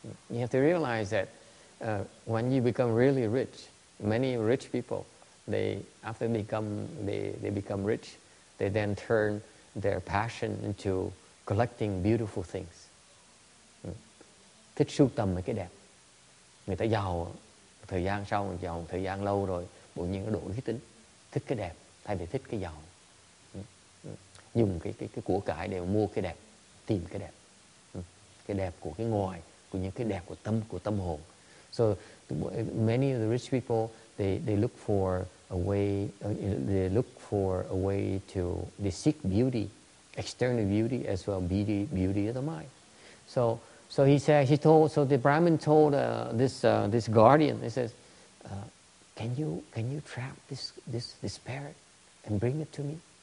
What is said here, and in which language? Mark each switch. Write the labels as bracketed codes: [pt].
[en] You have to realize that when you become really rich, many rich people, they become rich, they then turn their passion into collecting beautiful things. [vi] Thích sưu tầm mấy cái đẹp. Người ta giàu thời gian sau, giàu thời gian lâu rồi, bỗng nhiên nó đổi cái tính, thích cái đẹp thay vì thích cái giàu. Dùng cái của cải để mua cái đẹp, tìm cái đẹp. Cái đẹp của cái ngoài, của những cái đẹp của tâm hồn. [en] So many of the rich people, they seek beauty, external beauty as well, beauty of the mind. So he said, the Brahmin told this guardian, he says, can you trap this parrot and bring it to me?